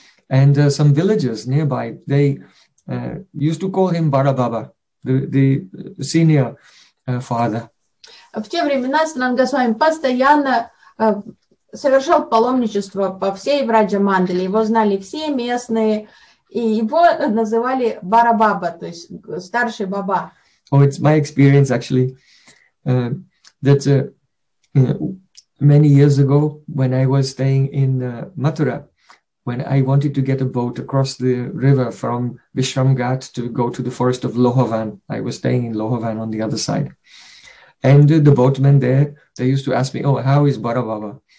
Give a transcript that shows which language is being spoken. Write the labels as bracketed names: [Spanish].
[English] And some villagers nearby, they used to call him Barababa. The senior father. [Russian] В те времена Санатана Госвами постоянно совершал паломничество по всей Враджа-мандале. Его знали все местные, и его называли Барабаба, то есть старший баба. [English] Oh, it's my experience actually that many years ago when I was staying in Mathura, when I wanted to get a boat across the river from Vishramghat to go to the forest of Lohavan. I was staying in Lohavan on the other side. And the boatmen there, they used to ask me, oh, how is Barababa?